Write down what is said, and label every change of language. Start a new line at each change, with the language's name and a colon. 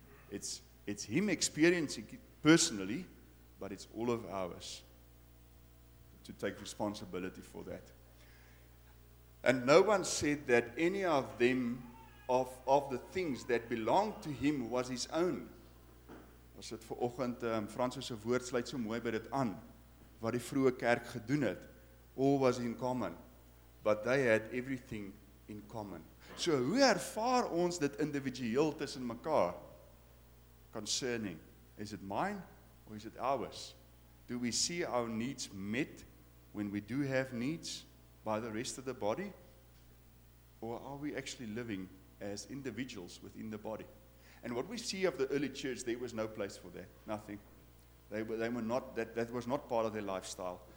English: It's him experiencing it personally, but it's all of ours to take responsibility for that. And no one said that any of them, of the things that belonged to him, was his own.
Afrikaans: Was dit vir oggend, Francis se woord sluit so mooi by dit aan, wat die vroeë kerk gedoen het.
English: All was in common, but they had everything in common.
Afrikaans: So hoe ervaar ons dit individueel tussen mekaar?
English: Concerning, is it mine or is it ours? Do we see our needs met when we do have needs? By the rest of the body? Or are we actually living as individuals within the body? And what we see of the early church, there was no place for that. Nothing. That was not part of their lifestyle.